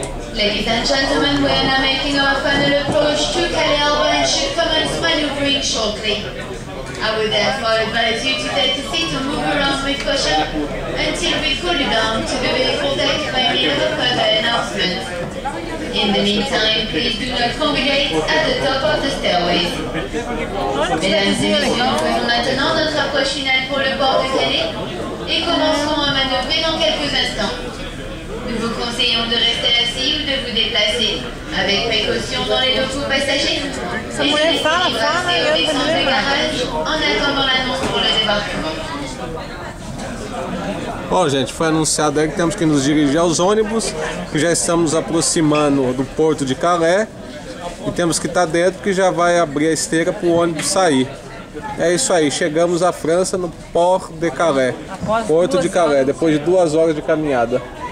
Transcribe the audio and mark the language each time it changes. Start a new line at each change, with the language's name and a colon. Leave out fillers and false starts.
English: Ladies and gentlemen, we are now making our final approach to Calais and should commence maneuvering shortly. I will therefore advise you to take a seat and move around with caution until we cool you down to the vehicle deck by means of a further announcement. In the meantime, please do not congregate at the top of the stairways.
French: Mesdames et messieurs, nous allons maintenant notre approche finale pour le port de Calais et commencerons à manœuvrer dans quelques instants. Nous vous conseillons de rester assis ou de vous déplacer avec précaution dans les locaux passagers. Et si vous voulez passer au descente de garage en attendant l'annonce pour le débarquement.
Portuguese: Bom, gente, foi anunciado aí que temos que nos dirigir aos ônibus, que já estamos aproximando do porto de Calais e temos que estar dentro que já vai abrir a esteira para o ônibus sair. É isso aí, chegamos à França no Port de Calais, porto de Calais, depois de 2 horas de caminhada.